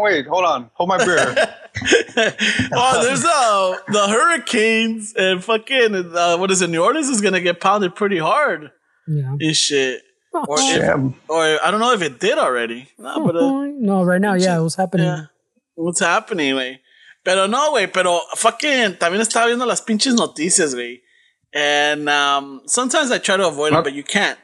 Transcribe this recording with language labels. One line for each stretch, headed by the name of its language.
English: Wait, hold on. Hold my beer. there's the hurricanes and fucking what is it? New Orleans is gonna get pounded pretty hard. Yeah. And shit. Or I don't know if it did already. It was happening. Yeah. What's happening, güey?
Spanish: Pero no, güey. Pero fucking, también estaba viendo las pinches noticias, güey.
English: And sometimes I try to avoid them, but you can't.